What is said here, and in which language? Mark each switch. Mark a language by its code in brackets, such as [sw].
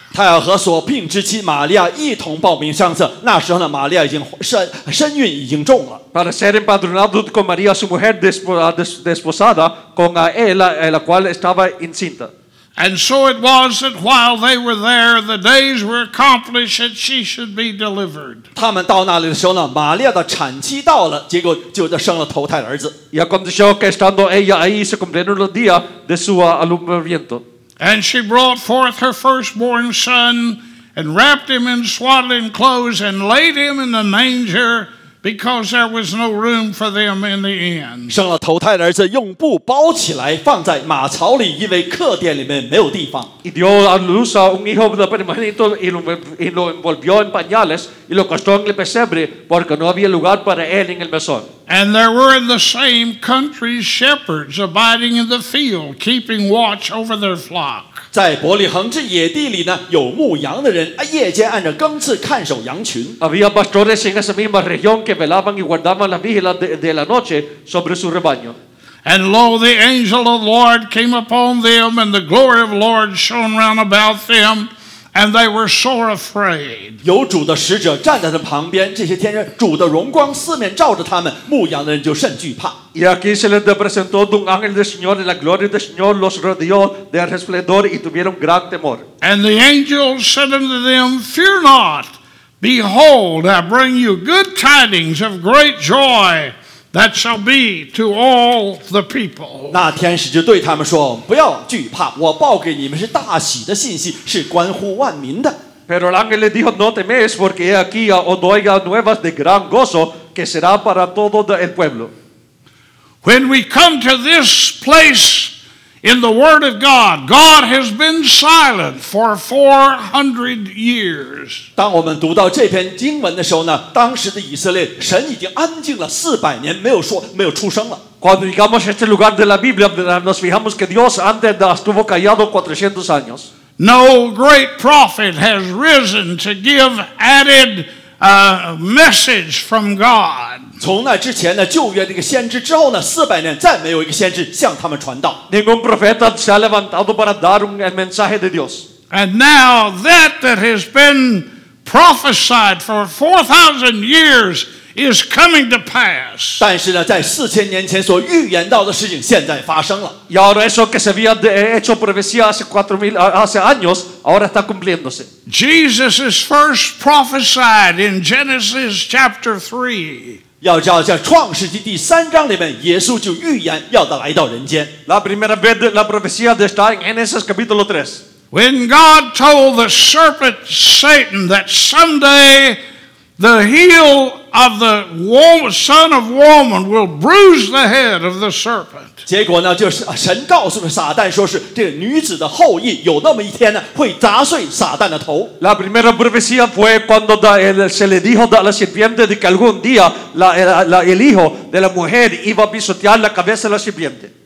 [zh] 他要和所聘之妻玛利亚一同报名上册。那时候呢，玛利亚已经身孕已经重了。 [es] Para ser empadronado con María su mujer desposada con ella, la cual estaba encinta. [en] And so it was that while they were there, the days were accomplished that she should be delivered. [zh] 他们到那里的时候呢，玛利亚的产期到了，结果就生了头胎的儿子。 [es] Y aconteció que estando ella ahí se cumplieron los días de su alumbramiento. [en] And she brought forth her firstborn son and wrapped him in swaddling clothes and laid him in the manger. Because there was no room for them in the inn. [zh] 生了头胎的儿子用布包起来放在马槽里，因为客店里面没有地方。 [es] Y dio a luz a un hijo de primogénito y lo envolvió en pañales y lo acostó en el pesebre porque no había lugar para él en el mesón. [en] And there were in the same country shepherds abiding in the field, keeping watch over their flock. [zh] 在伯利恒这野地里呢，有牧羊的人夜间按着更次看守羊群。 [es] Había pastores en esa misma región que velaban y guardaban la vigilia de la noche sobre su rebaño. [en] And lo, the angel of the Lord came upon them, and the glory of the Lord shone round about them. And they were sore afraid. [zh] 有主的使者站在他旁边，这些天人，主的荣光四面照着他们，牧羊的人就甚惧怕。 [es] Y aquí se les presentó un ángel del Señor, y la gloria del Señor los rodeó de resplandor y tuvieron gran temor. [en] And the angel said unto them, "Fear not. Behold, I bring you good tidings of great joy that shall be to all the people." [zh] 那天使就对他们说：“不要惧怕，我报给你们是大喜的信息，是关乎万民的。” [es] Pero el ángel le dijo: "No temes, porque aquí os doy nuevas de gran gozo que será para todo el pueblo." [en] When we come to this place in the Word of God, God has been silent for 400 years. [zh] 当我们读到这篇经文的时候呢，当时的以色列神已经安静了400年，没有说，没有出声了。 [es] Cuando llegamos a este lugar de la Biblia, nos fijamos que Dios antes estuvo callado 400 años. [en] No great prophet has risen to give added message from God. [zh] 从那之前呢，旧约那个先知之后呢，四百年再没有一个先知向他们传道。 [es] Ningún profeta se ha levantado para dar un mensaje de Dios. [en] And now that has been prophesied for 4,000 years. Is coming to pass. [zh] 但是呢，在四千年前所预言到的事情，现在发生了。 [es] Y ahora eso que se había hecho profecía hace 4,000 hace años, ahora está cumpliéndose. [en] Jesus is first prophesied in Genesis chapter 3. [zh] 要知道，在创世纪第三章里面，耶稣就预言要来到人间。 [es] La primera vez la profecía de estar en Génesis capítulo 3. [en] When God told the serpent Satan that someday the heel of the son of woman will bruise the head of the serpent. [zh] 结果呢，就是神告诉了撒旦，说是这个女子的后裔有那么一天呢，会砸碎撒旦的头。 [es] La primera profecía fue cuando se le dijo a la serpiente de que algún día el hijo de la mujer iba a pisotear la cabeza de la serpiente.